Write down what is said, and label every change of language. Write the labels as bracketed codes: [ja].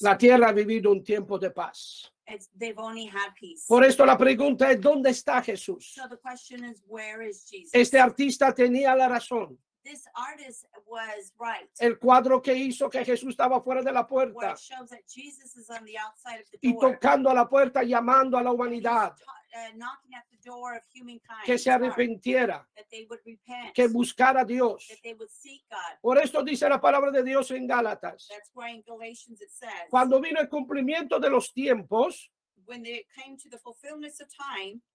[es] La tierra ha vivido un tiempo de paz. [en] They've only had peace. [es] Por esto la pregunta es, ¿dónde está Jesús? [en] So the question is, where is Jesus? [es] Este artista tenía la razón. [en] This artist was right. [es] El cuadro que hizo que Jesús estaba fuera de la puerta. [en] Where it shows that Jesus is on the outside of the door. [es] Y tocando a la puerta, llamando a la humanidad. [en] Knocking at the door of humankind, [es] que se arrepintiera, [en] that they would repent, [es] que buscara a Dios. [en] That they would seek God. [es] Por esto dice la palabra de Dios en Gálatas. [en] That's why in Galatians it says, [es] cuando vino el cumplimiento de los tiempos, [en] when they came to the fulfillment of time,